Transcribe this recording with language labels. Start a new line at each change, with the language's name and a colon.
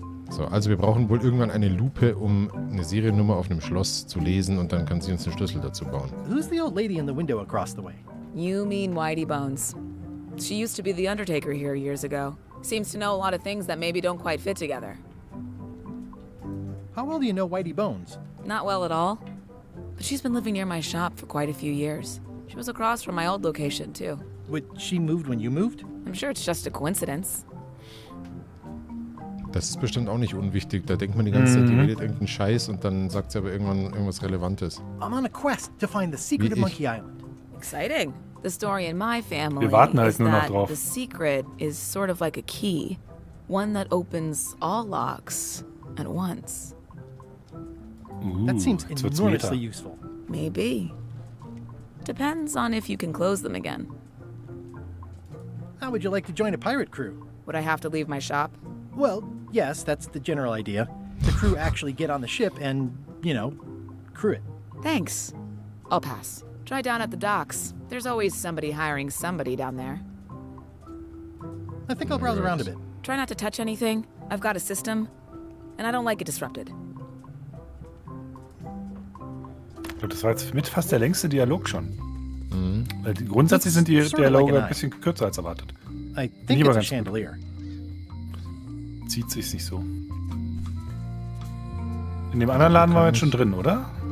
German: So, also wir brauchen wohl irgendwann eine Lupe, um eine Seriennummer auf einem Schloss zu lesen, und dann kann sie uns den Schlüssel dazu bauen.
English: Who's the old lady in the window across the way? You mean Whitey Bones. She used to be the undertaker here years ago. Seems to know a lot of things that maybe don't quite fit together. How well do you know Whitey Bones? Not well at all. But she's been living near my shop for quite a few years. She was across from my old location, too. But she moved when you moved? I'm sure it's just a coincidence.
German: Das ist bestimmt auch nicht unwichtig. Da denkt man die ganze Zeit, die redet irgendeinen Scheiß und dann sagt sie aber irgendwann irgendwas Relevantes.
English: I'm on a quest to find the secret of Monkey Island. Exciting. The story in my family
German: wir warten halt
English: is
German: nur
English: that
German: noch drauf.
English: The secret is sort of like a key. One that opens all locks at once. That seems enormously useful. Maybe. Depends on if you can close them again. How would you like to join a pirate crew? Would I have to leave my shop? Well, yes, that's the general idea. The crew actually get on the ship and, you know, crew it. Thanks. I'll pass. Try down at the docks. There's always somebody hiring somebody down there. I think I'll browse around a bit. Try not to touch anything. I've got a system, and I don't like it disrupted.
German: Ich glaube, das war jetzt mit fast der längste Dialog schon. Mhm. Weil grundsätzlich sind die Dialoge ein bisschen kürzer als erwartet.
English: I think it's a chandelier.
German: Zieht sich nicht so. In dem anderen Laden waren wir jetzt schon drin, oder?